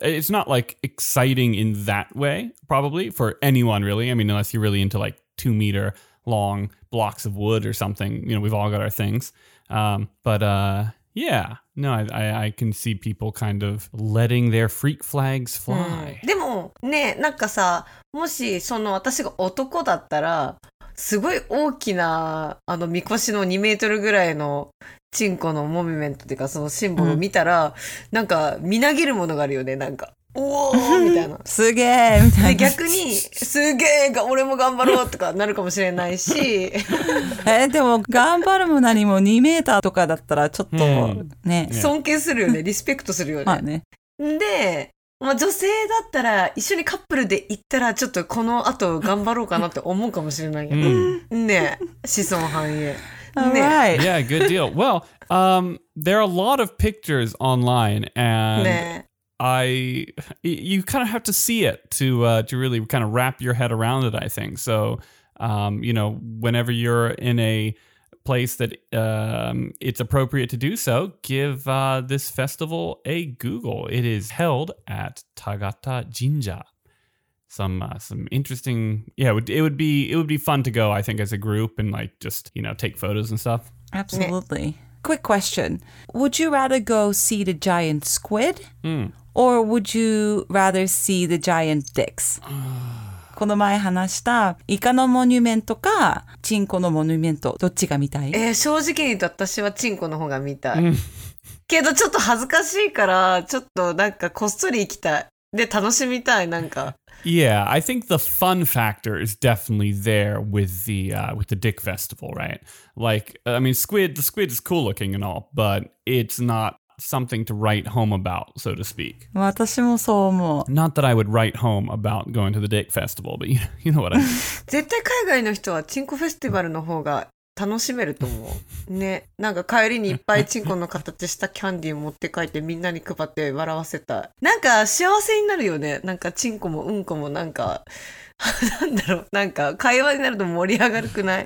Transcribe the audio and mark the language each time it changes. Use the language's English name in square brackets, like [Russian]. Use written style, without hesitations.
[English] It's not like exciting in that way, probably, for anyone really. I mean, unless you're really into like 2 meter long blocks of wood or something, you know, we've all got our things. Yeah, no, I can see people kind of letting their freak flags fly. [Japanese] でもね、なんかさ、もしその私が男だったら、すごい大きなあのみこしの2メートルぐらいのチンコのモミメントっていうか、そのシンボルを見たら、なんかみなぎるものがあるよね、なんかおおみたいな、すげえみたいな、逆にすげえ俺も頑張ろうとかなるかもしれないし、でも頑張るも何も2メーターとかだったらちょっとね、尊敬するよね、リスペクトするよね。まあね。で、まあ、女性だったら一緒にカップルで行ったらちょっとこの後頑張ろうかなって思うかもしれないけど、ね、子孫繁栄。ね、 [English] right. Yeah, good deal. Well, there are a lot of pictures online, and、ね、 you kind of have to see it to really kind of wrap your head around it, I think. So, you know, whenever you're in a place that it's appropriate to do so, give this festival a Google. It is held at Tagata Jinja. Some interesting, yeah, it would be fun to go, I think, as a group and like just, you know, take photos and stuff. Absolutely. Yeah. Quick question. Would you rather go see the giant squid or would you rather see the giant dicks? [Japanese] この前話したイカのモニュメントかチンコのモニュメントどっちが見たい？正直に言うと私はチンコの方が見たい。けどちょっと恥ずかしいからちょっとなんかこっそり行きたいで楽しみたいなんか。 [English] Yeah, I think the fun factor is definitely there with the dick festival, right? Like, I mean, the squid is cool looking and all, but it's not something to write home about, so to speak. [Japanese] 私もそう思う。 [English] Not that I would write home about going to the dick festival, but you know what I mean. [Japanese] 絶対海外の人はチンコフェスティバルの方が楽しめると思う。ね、なんか帰りにいっぱいチンコの形したキャンディー持って帰ってみんなに配って笑わせたい。なんか幸せになるよね。なんかチンコもうんこもなんか、なんだろう。なんか会話になると盛り上がるくない